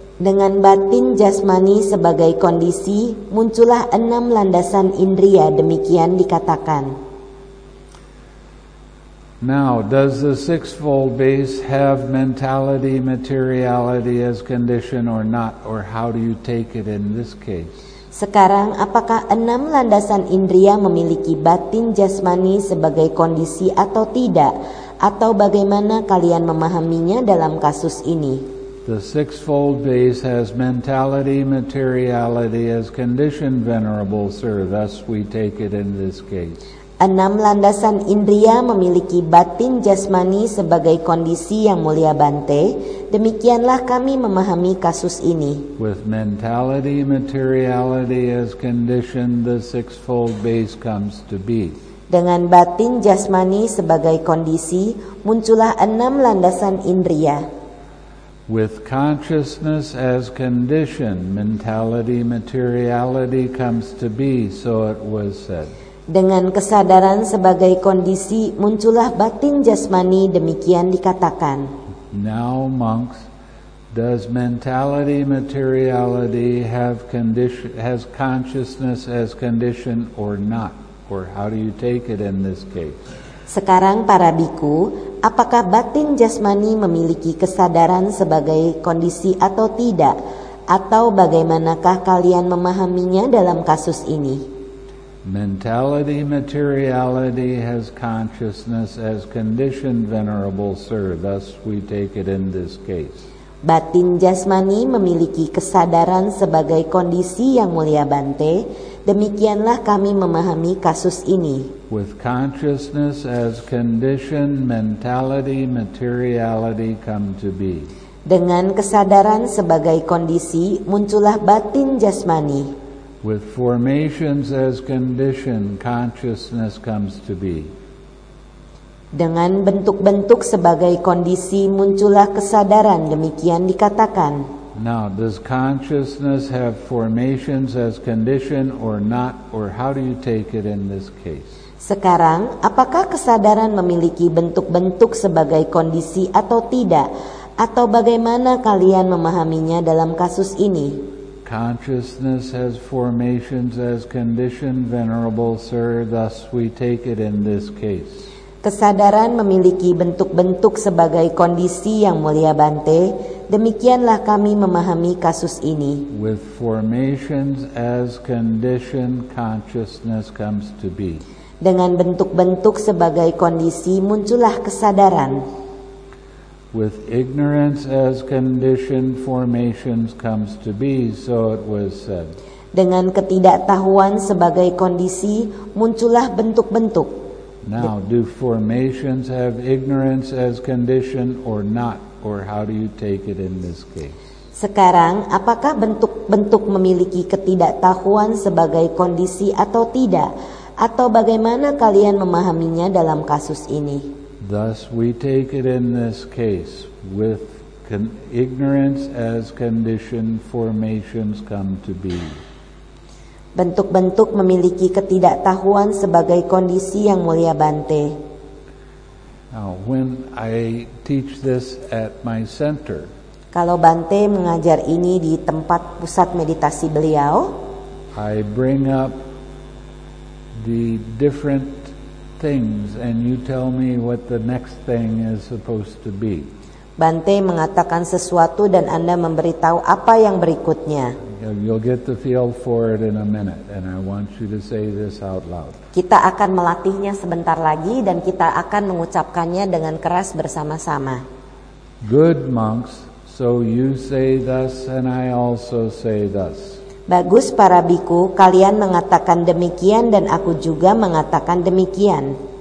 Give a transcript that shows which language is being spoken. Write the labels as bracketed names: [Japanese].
[Indonesian] Dengan batin jasmani sebagai kondisi, muncullah enam landasan indria, demikian dikatakan. [English] Now, does the sixfold base have mentality, materiality as condition or not, or how do you take it in this case? [Indonesian] Sekarang, apakah enam landasan indria memiliki batin jasmani sebagai kondisi atau tidak? Atau bagaimana kalian memahaminya dalam kasus ini? [English] The sixfold base has mentality, materiality as condition, venerable sir. Thus we take it in this case. [Indonesian] Enam landasan indria memiliki batin jasmani sebagai kondisi yang mulia Bante, demikianlah kami memahami kasus ini. [English] With mentality, materiality as condition, the sixfold base comes to be. [Indonesian] Dengan batin jasmani sebagai kondisi, muncullah enam landasan indria. [English] With consciousness as condition, mentality, materiality comes to be, so it was said. [Indonesian] Dengan kesadaran sebagai kondisi, muncullah batin jasmani, demikian dikatakan. [English] Now, monks, does mentality, materiality have condition, has consciousness as condition or not? Or how do you take it in this case? [Indonesian] Sekarang, para bhikkhu, apakah batin jasmani memiliki kesadaran sebagai kondisi atau tidak? Atau bagaimanakah kalian memahaminya dalam kasus ini? [English] Mentality, materiality has consciousness as condition, venerable sir. Thus we take it in this case. [Indonesian] Batin jasmani memiliki kesadaran sebagai kondisi yang mulia Bante, demikianlah kami memahami kasus ini. [English] With consciousness as condition, mentality, materiality come to be. [Indonesian] Dengan kesadaran sebagai kondisi, muncullah batin jasmani. [English] With formations as condition, consciousness comes to be. [Indonesian] Dengan bentuk-bentuk sebagai kondisi, muncullah kesadaran, demikian dikatakan. [English] Now, does consciousness have formations as condition or not, or how do you take it in this case? [Indonesian] Sekarang, apakah kesadaran memiliki bentuk-bentuk sebagai kondisi atau tidak? Atau bagaimana kalian memahaminya dalam kasus ini? [English] Consciousness has formations as condition, venerable sir, thus we take it in this case. [Indonesian] Kesadaran memiliki bentuk-bentuk sebagai kondisi yang mulia Bante, demikianlah kami memahami kasus ini. [English] With formations as condition, consciousness comes to be. [Indonesian] Dengan bentuk-bentuk sebagai kondisi, muncullah kesadaran. [English] with ignorance as condition, formations comes to be, so it was said. [Indonesian] Dengan ketidaktahuan sebagai kondisi, muncullah bentuk-bentuk. [English] Now, do formations have ignorance as condition or not? Or how do you take it in this case? [Indonesian] Sekarang, apakah bentuk-bentuk memiliki ketidaktahuan sebagai kondisi atau tidak? Atau bagaimana kalian memahaminya dalam kasus ini? [English] Thus, we take it in this case with ignorance as condition, formations come to be. [Indonesian] Bentuk-bentuk memiliki ketidaktahuan sebagai kondisi yang mulia Bante. [English] Now, when I teach this at my center, [Indonesian] kalau Bante mengajar ini di tempat pusat meditasi beliau, [English] I bring up the different things and you tell me what the next thing is supposed to be. [Indonesian] Bante mengatakan sesuatu dan Anda memberitahu apa yang berikutnya. [English] You'll get the feel for it in a minute, and I want you to say this out loud. [Indonesian] Kita akan melatihnya sebentar lagi, dan kita akan mengucapkannya dengan keras bersama-sama. [English] Good monks, so you say thus, and I also say thus. [Indonesian] Bagus para bhikkhu, kalian mengatakan demikian, dan aku juga mengatakan demikian.